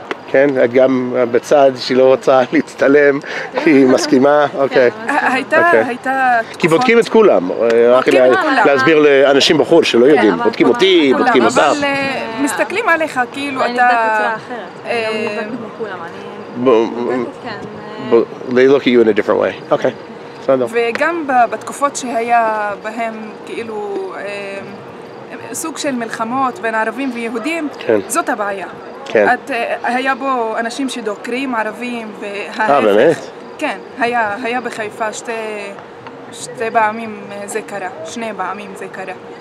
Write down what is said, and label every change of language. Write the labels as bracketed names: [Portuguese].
[Hebrew] כן, את גם בצד שהיא לא רוצה להצטלם, היא מסכימה, אוקיי. הייתה... כי בודקים את כולם, רק להסביר לאנשים בחו"ל שלא יודעים, בודקים אותי, בודקים אותך. אבל מסתכלים עליך, כאילו אתה... אני נבדקת בצורה אחרת, אני לא מודקת כמו כולם, אני... [English] They look at you in a different way, [Hebrew] אוקיי, בסדר. וגם בתקופות שהיה בהם, כאילו, סוג של מלחמות בין ערבים ויהודים, זאת הבעיה. כן. היה בו אנשים שדוקרים ערבים וההפך. באמת? כן, היה בחיפה שתי פעמים זה קרה, שני פעמים זה קרה.